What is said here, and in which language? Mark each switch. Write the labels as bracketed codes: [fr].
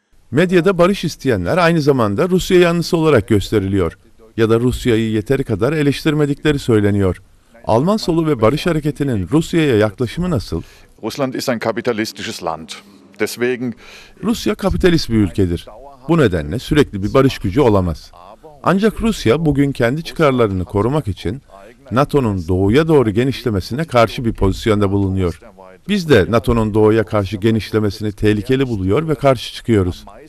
[tr] Medyada barış isteyenler aynı zamanda Rusya yanlısı olarak gösteriliyor. Ya da Rusya'yı yeteri kadar eleştirmedikleri söyleniyor. Alman solu ve barış hareketinin Rusya'ya yaklaşımı nasıl? [de] Rusland ist ein kapitalistisches Land. [tr] Rusya kapitalist bir ülkedir. Bu nedenle sürekli bir barış gücü olamaz. Ancak Rusya bugün kendi çıkarlarını korumak için NATO'nun doğuya doğru genişlemesine karşı bir pozisyonda bulunuyor. Biz de NATO'nun doğuya karşı genişlemesini tehlikeli buluyor ve karşı çıkıyoruz.